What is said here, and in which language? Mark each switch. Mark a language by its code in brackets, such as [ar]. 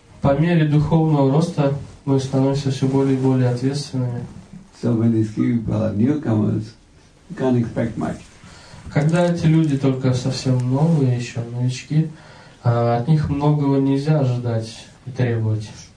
[ru] По мере духовного роста мы становимся все более и более ответственными. [en] So when these people are newcomers, you can't expect much. [ru] Когда эти люди только совсем новые еще новички, от них многого нельзя ожидать и требовать.